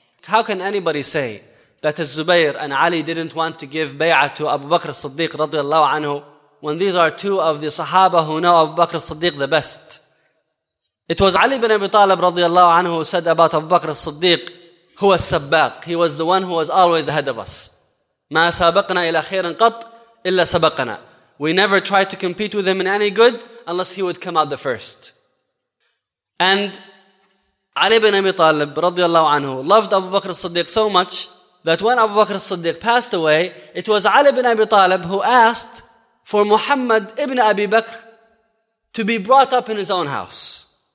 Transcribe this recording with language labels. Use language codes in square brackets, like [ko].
[en] How can anybody say that Zubayr and Ali didn't want to give bay'ah to Abu Bakr as-Siddiq radiallahu anhu, when these are two of the Sahaba who know Abu Bakr as-Siddiq the best? It was Ali ibn Abi Talib radiallahu anhu who said about Abu Bakr as-Siddiq, [ar] هو السباق, [en] he was the one who was always ahead of us. [ar] ما سابقنا إلى خير قط إلا سبقنا. [en] We never tried to compete with him in any good unless he would come out the first. And Ali ibn Abi Talib radiallahu anhu loved Abu Bakr as-Siddiq so much that when Abu Bakr as-Siddiq passed away, it was Ali ibn Abi Talib who asked for Muhammad ibn Abi Bakr to be brought up in his own house.